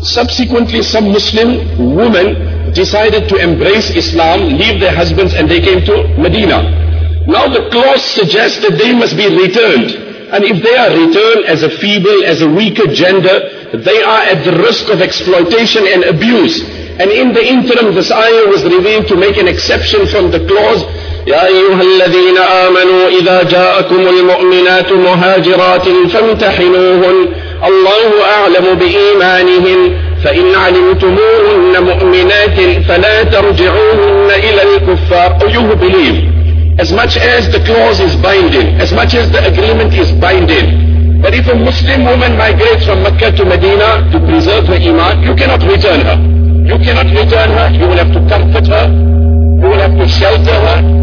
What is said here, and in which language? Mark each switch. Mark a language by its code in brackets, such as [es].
[en] Subsequently, some Muslim women decided to embrace Islam, leave their husbands, and they came to Medina. Now the clause suggests that they must be returned. And if they are returned as a feeble, as a weaker gender, they are at the risk of exploitation and abuse. And in the interim, this ayah was revealed to make an exception from the clause, [ar] يَا أَيُّهَا الَّذِينَ آمَنُوا إِذَا جَاءَكُمُ الْمُؤْمِنَاتُ مُهَاجِرَاتٍ فَامْتَحِنُوهُنَّ اللَّهُ أَعْلَمُ بِإِيمَانِهِنَّ فَإِنْ عَلِمْتُمُوهُنَّ مُؤْمِنَاتٍ فَلَا تَرْجِعُوهُنَّ إِلَى الْكُفَّارِ. [en] Oh, you believe. As much as the clause is binding, as much as the agreement is binding, but if a Muslim woman migrates from Mecca to Medina to preserve her iman, you cannot return her. You cannot return her. You will have to comfort her. You will have to shelter her.